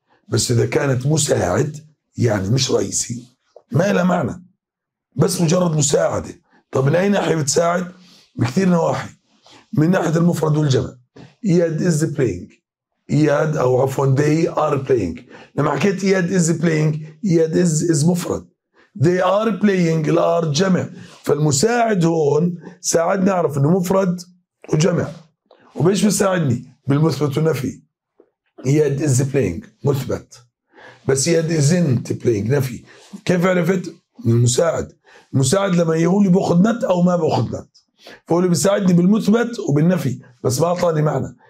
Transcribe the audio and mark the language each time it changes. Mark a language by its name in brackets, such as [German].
[Arabic] بس اذا كانت مساعد يعني مش رئيسي، ما لها معنى، بس مجرد مساعدة. طب من أي ناحية بتساعد؟ بكثير نواحي، من ناحية المفرد والجمع. إياد [English] is playing, [Arabic] إياد أو عفواً [English] they are playing. [Arabic] لما حكيت إياد [English] is playing, [Arabic] إياد is مفرد. [English] They are playing, الـ are جمع. [Arabic] فالمساعد هون ساعدني أعرف إنه مفرد وجمع. وبيش بيساعدني؟ بالمثبت والنفي. إياد [English] is playing, [Arabic] مثبت. بس إياد [English] isn't playing, [Arabic] نفي. كيف عرفت؟ من المساعد. المساعد لما يقولي بأخذ نت أو ما بأخذ نت. فهو اللي بيساعدني بالمثبت وبالنفي. بس ما أعطاني معنى.